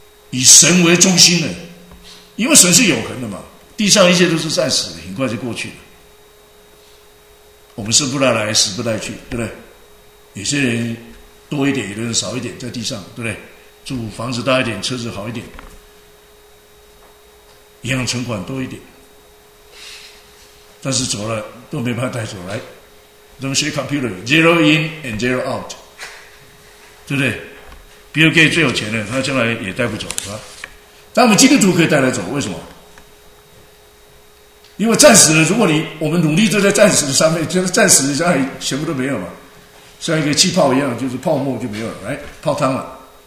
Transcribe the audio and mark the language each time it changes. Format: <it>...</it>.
<zh>以神为中心的，因为神是永恒的嘛，地上一切都是暂时的，很快就过去了。我们生不带来死不带去，对不对？有些人多一点，有的人少一点，在地上，对不对？住房子大一点，车子好一点，银行存款多一点，但是走了都没办法带走来。怎么学 computer?</zh> <en>Zero in and zero out, 对不对？</en> <zh>Bill Gates 最有钱的，他将来也带不走，是吧？但我们基督徒可以带来走，为什么？因为暂时的，如果你我们努力都在暂时的上面，就是暂时的将来全部都没有嘛。像一个气泡一样，就是泡沫就没有了，来泡汤了。</zh>